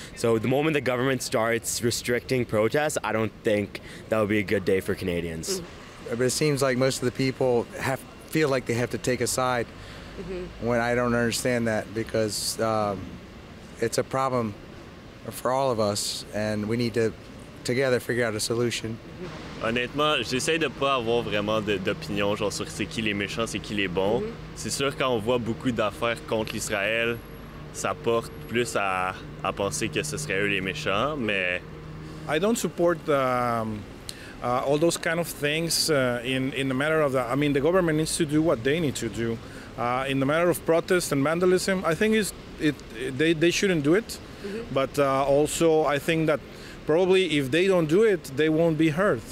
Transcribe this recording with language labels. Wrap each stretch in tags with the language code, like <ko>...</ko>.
<en>So the moment the government starts restricting protests, I don't think that would be a good day for Canadians. Mm-hmm. But it seems like most of the people feel like they have to take a side, mm-hmm. when I don't understand that, because it's a problem for all of us, and we need to together figure out a solution.</en> <fr>Honnêtement, j'essaie de pas avoir vraiment d'opinion genre sur c'est qui les méchants, c'est qui les bons. Mm-hmm. C'est sûr quand on voit beaucoup d'affaires contre l'Israël, ça porte plus à penser que ce serait eux les méchants, mais</fr> <en>I don't support all those kind of things in the matter of that. I mean, the government needs to do what they need to do. In the matter of protest and vandalism, I think they shouldn't do it. Mm-hmm. But also I think that probably if they don't do it, they won't be hurt.</en>